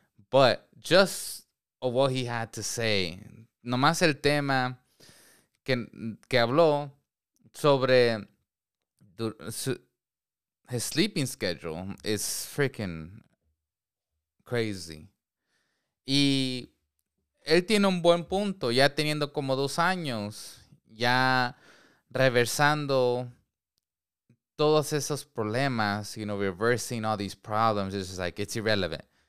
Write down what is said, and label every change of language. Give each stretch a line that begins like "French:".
English: But just of what he had to say,
Spanish: nomás el tema que habló sobre
English: his sleeping schedule is freaking crazy.
Spanish: Y él tiene un buen punto, ya teniendo como 2 años, ya reversando todos esos problemas,
English: you know, reversing all these problems, it's just like, it's irrelevant.